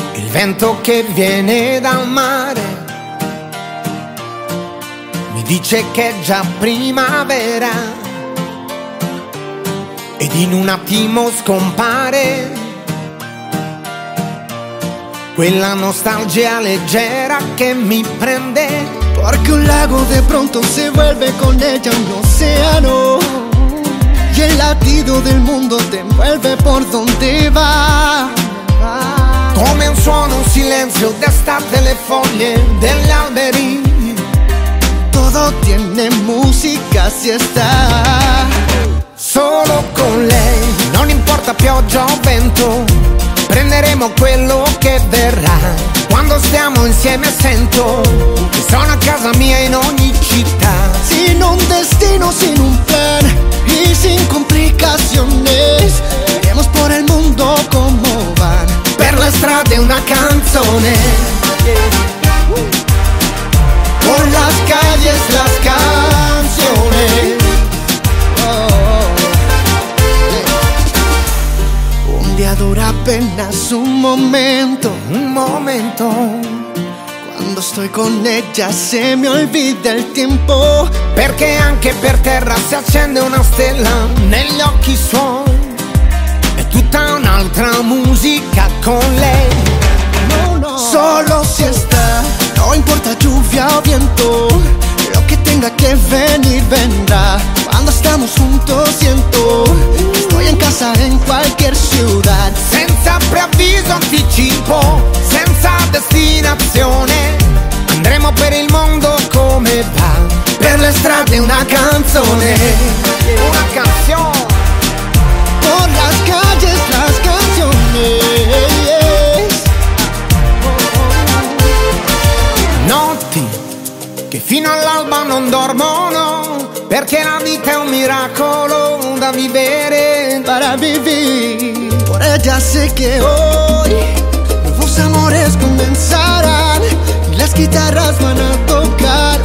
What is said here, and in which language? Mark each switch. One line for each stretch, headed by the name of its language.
Italian: vento che viene dal mare mi dice che è già primavera ed in un attimo scompare quella nostalgia leggera che mi prende.
Spanish: Porque un lago de pronto se vuelve con ella un océano y el latido del mundo te envuelve por donde va.
Italian: Come un suono,
Spanish: un silencio
Italian: d'estate, le foglie degli alberi.
Spanish: Todo tiene música si está
Italian: solo con lei. Non importa pioggia o vento, prenderemo quello che verrà. Quando stiamo insieme sento che sono a casa mía in ogni città.
Spanish: Sin un destino, sin un plan y sin complicaciones, iremos por el mundo como van.
Italian: Per la strada è una canzone,
Spanish: por las calles las canciones. Dura apenas un momento, cuando estoy con ella se me olvida el tiempo.
Italian: Perché anche per terra si accende una stella negli occhi suoi, è tutta un'altra musica con lei.
Spanish: No, no. Solo si está, no importa lluvia o viento, lo que tenga que venir vendrá. Cuando estamos juntos siento que estoy en casa en cualquier ciudad.
Italian: Senza preavviso anticipo, senza destinazione, andremo per il mondo come va. Per le strade una canzone, una canzone.
Spanish: Por las calles las canciones.
Italian: Notti che fino all'alba non dormono, perché la vita è un miracolo da vivere,
Spanish: para vivir. Por ella sé que hoy nuevos amores comenzarán y las guitarras van a tocar.